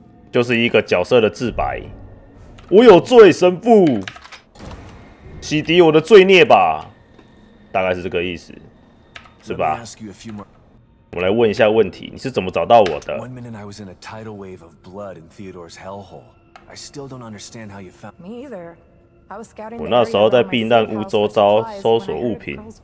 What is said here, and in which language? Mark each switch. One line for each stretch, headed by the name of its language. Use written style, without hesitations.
Chinese: 就是一个角色的自白。我有罪，神父，洗涤我的罪孽吧，大概是这个意思，是吧？我来问一下问题，你是怎么找到我的？
English: One minute I was in a tidal wave of blood in Theodore's hellhole. I still don't understand how you found me either. I was scouting.
Chinese: 我那时候在避难屋周遭搜索物品。